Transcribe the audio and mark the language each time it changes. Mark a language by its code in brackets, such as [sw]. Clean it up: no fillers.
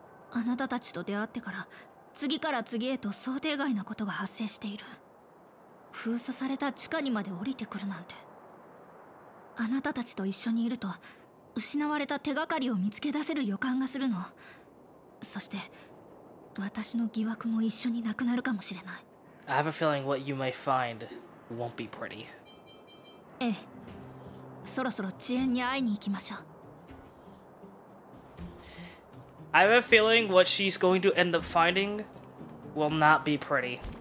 [ja] あなたたちと出会ってから次から次へと想定外なことが発生している。封鎖された地下にまで降りてくるなんて。あなたたちと一緒にいると失われた手がかりを見つけ出せる予感がするの。そして私の疑惑も一緒になくなるかもしれない。 [en] I have a feeling what you may find won't be pretty. [ja] ええ、そろそろ遅延に会いに行きましょう。 [en] I have a feeling what she's going to end up finding will not be pretty.